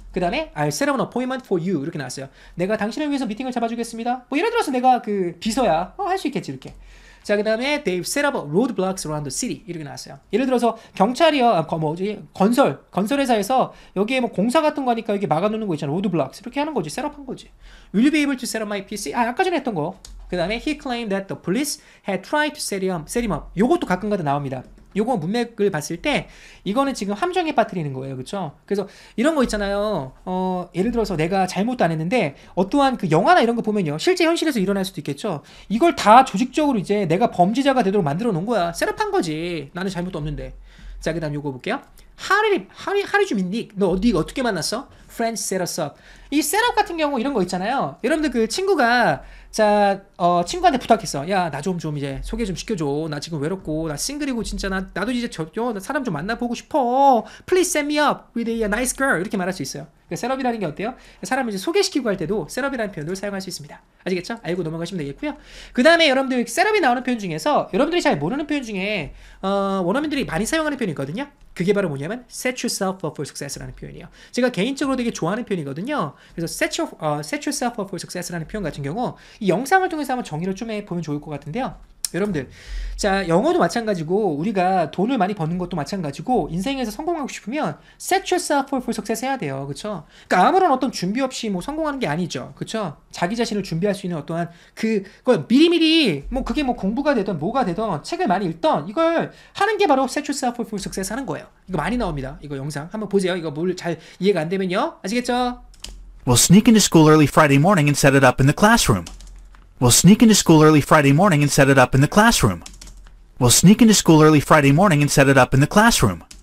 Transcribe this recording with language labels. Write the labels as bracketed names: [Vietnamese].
[Korean] 그 다음에 [English] I'll set up an appointment for you. [Korean] 이렇게 나왔어요. 내가 당신을 위해서 미팅을 잡아주겠습니다. 뭐 예를 들어서 내가 그 비서야. 할 수 있겠지 이렇게. 자 그 다음에 [English] they've set up roadblocks around the city [Korean] 이렇게 나왔어요. 예를 들어서 경찰이요 건설 회사에서 여기에 뭐 공사 같은 거 하니까 여기 막아놓는 거 있잖아. roadblocks 이렇게 하는 거지. set up한 거지. [English] Will you be able to set up my PC? [Korean] 아 아까 전에 했던 거. 그 다음에 [English] he claimed that the police had tried to set him up. [Korean] 요것도 가끔가다 나옵니다. 요거 문맥을 봤을 때 이거는 지금 함정에 빠뜨리는 거예요. 그렇죠? 그래서 이런 거 있잖아요. 예를 들어서 내가 잘못도 안 했는데 어떠한 그 영화나 이런 거 보면요. 실제 현실에서 일어날 수도 있겠죠. 이걸 다 조직적으로 이제 내가 범죄자가 되도록 만들어 놓은 거야. 셋업한 거지. 나는 잘못도 없는데. 자, 그다음 요거 볼게요. [English] How did you meet Nick? [Korean] 너 어디 어떻게 만났어? [English] Friends set us up. [Korean] 이 셋업 같은 경우 이런 거 있잖아요. 여러분들 그 친구가 친구한테 부탁했어. 야, 나 좀 이제 소개 좀 시켜줘. 나 지금 외롭고, 나 싱글이고, 진짜 나도 이제 나 사람 좀 만나보고 싶어. [English] Please set me up with a nice girl. [Korean] 이렇게 말할 수 있어요. 그러니까 셋업이라는 게 어때요? 사람을 이제 소개시키고 할 때도 셋업이라는 표현을 사용할 수 있습니다. 아시겠죠? 알고 넘어가시면 되겠고요. 그 다음에 여러분들 셋업이 나오는 표현 중에서 여러분들이 잘 모르는 표현 중에 원어민들이 많이 사용하는 표현이 있거든요. 그게 바로 뭐냐면 [English] set yourself up for success [Korean] 라는 표현이에요. 제가 개인적으로 되게 좋아하는 표현이거든요. 그래서 [English] set yourself up for success [Korean] 라는 표현 같은 경우 이 영상을 통해서 한번 정리를 좀 해보면 좋을 것 같은데요. 여러분들 자 영어도 마찬가지고 우리가 돈을 많이 버는 것도 마찬가지고 인생에서 성공하고 싶으면 [English] set yourself up for success [Korean] 해야 돼요. 그쵸? 그러니까 아무런 어떤 준비 없이 뭐 성공하는 게 아니죠. 그쵸? 자기 자신을 준비할 수 있는 어떠한 그걸 미리미리 뭐 그게 뭐 공부가 되든 뭐가 되든 책을 많이 읽던 이걸 하는 게 바로 [English] set yourself up for success [Korean] 하는 거예요. 이거 많이 나옵니다. 이거 영상 한번 보세요. 이거 뭘 잘 이해가 안 되면요. 아시겠죠? [English] We'll sneak into school early Friday morning and set it up in the classroom. We'll sneak into school early Friday morning and set it up in the classroom. We'll sneak into school early Friday morning and set it up in the classroom.